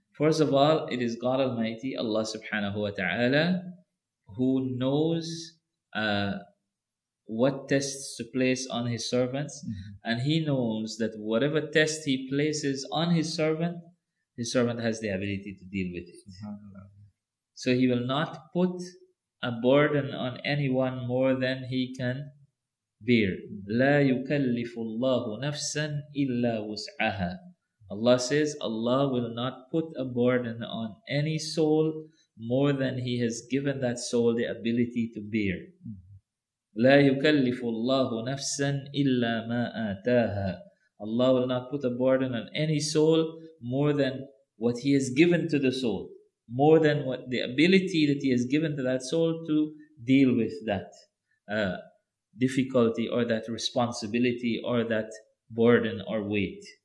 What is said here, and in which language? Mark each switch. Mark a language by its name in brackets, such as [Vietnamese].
[English] First of all, it is God Almighty, Allah subhanahu wa ta'ala, who knows what tests to place on his servants. Mm-hmm. And he knows that whatever test he places on his servant has the ability to deal with it. So he will not put a burden on anyone more than he can bear. [Arabic] لا يكلف الله نفسا إلا وسعها. [English] Allah says, Allah will not put a burden on any soul more than he has given that soul the ability to bear. [Arabic] لا يكلف الله نفسا إلا ما آتاها. [English] Allah will not put a burden on any soul more than what he has given to the soul, more than what the ability that he has given to that soul to deal with that difficulty or that responsibility or that burden or weight.